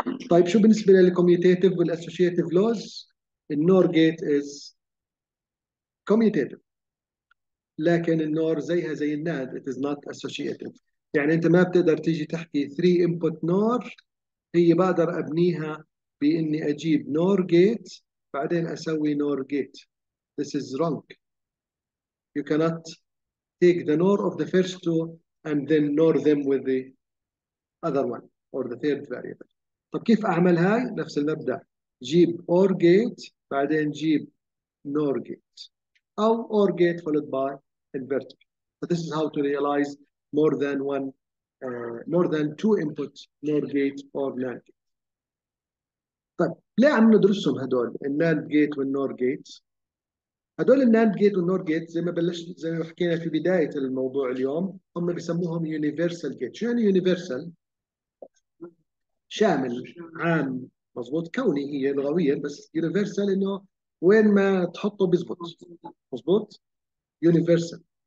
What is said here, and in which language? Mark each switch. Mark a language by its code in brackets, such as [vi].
[ar] طيب شو بالنسبه للكوميتيتيف والاسوشيتيف لوز؟ النور جيت از كوميتيتيف، لكن النور زيها زي الناد، [en] It is not associative. [ar] يعني انت ما بتقدر تيجي تحكي 3 انبوت نور، هي بقدر ابنيها باني اجيب نور جيت بعدين اسوي نور جيت. [en] This is wrong. You cannot take the NOR of the first two and then NOR them with the other one or the third variable. [ar] طب كيف أعمل هاي؟ نفس المبدأ، جيب OR gate بعدين جيب NOR gate أو OR gate followed by inverter. [en] So this is how to realize more than one, more than two input NOR gate or NAND gate. [ar] طب ليه عم ندرسهم هدول الناند جيت والنور جيت؟ هدول الناند جيت والنور جيت زي ما بلشت، زي ما حكينا في بدايه الموضوع اليوم، هم بيسموهم يونيفرسال جيت. شو يعني يونيفرسال؟ شامل، عام، مظبوط، كوني هي لغويا، بس يونيفرسال انه وين ما تحطه بيزبط، مظبوط، يونيفرسال.